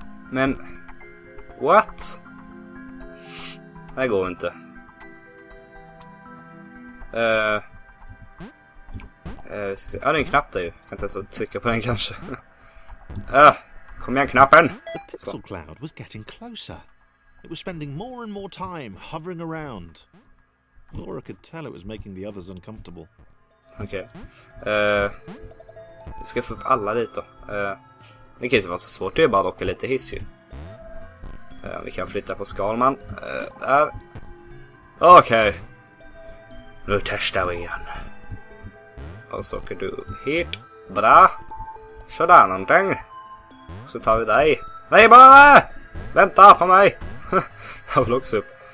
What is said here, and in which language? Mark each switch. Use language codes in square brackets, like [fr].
[sv] Men. What? Det här går inte. Ja, det är en knapp där ju. Jag kan inte ens trycka på den kanske. Kom igen, knappen! [en] The pixel cloud was getting closer. It was spending more and more time hovering around. Laura could tell it was making the others uncomfortable. [sv] Okej. Okay. Ska få upp alla dit då. Det kan ju inte vara så svårt. Det är bara att locka lite hiss ju. Vi kan flytta på Skalman. Där. Okej. Okay. Nu testar vi igen. Och så åker du hit. Bra. Sådär någonting. Så tar vi dig. Nej, bara! Vänta på mig! Jag vill också upp.